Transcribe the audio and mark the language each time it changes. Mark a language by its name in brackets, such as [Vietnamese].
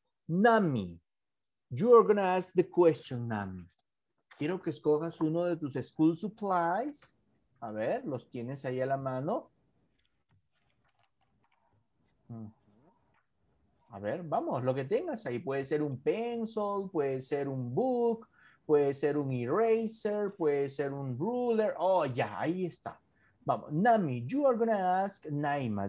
[English] Nami, you are going to ask the question, Nami. [Spanish] Quiero que escojas uno de tus school supplies. A ver, los tienes ahí a la mano. A ver, vamos, lo que tengas ahí. Puede ser un pencil, puede ser un book, puede ser un eraser, puede ser un ruler. Oh, ya, ahí está. Vamos, [English] Nami, you are going to ask Naima.